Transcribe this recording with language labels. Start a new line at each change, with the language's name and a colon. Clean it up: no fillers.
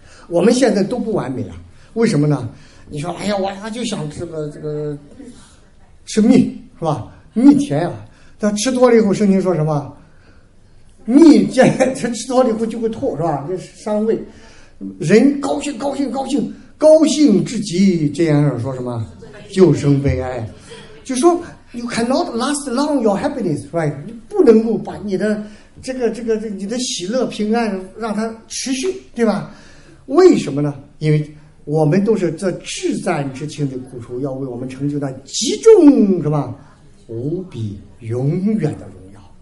Chinese: 我们现在都不完美了，为什么呢？你说，哎呀，我就想吃个这个吃蜜是吧？蜜甜啊，他吃多了以后，圣经说什么？蜜见他吃多了以后就会吐，是吧？这伤胃。人高兴，高兴，高兴，高兴至极。这样说什么？就生悲哀，就说
English: you cannot last long your happiness, right?
Chinese: 你不能够把你的这个你的喜乐平安让它持续，对吧？为什么呢？因为我们都是这至暂之轻的苦楚，要为我们成就那极重什么无比永远的荣耀。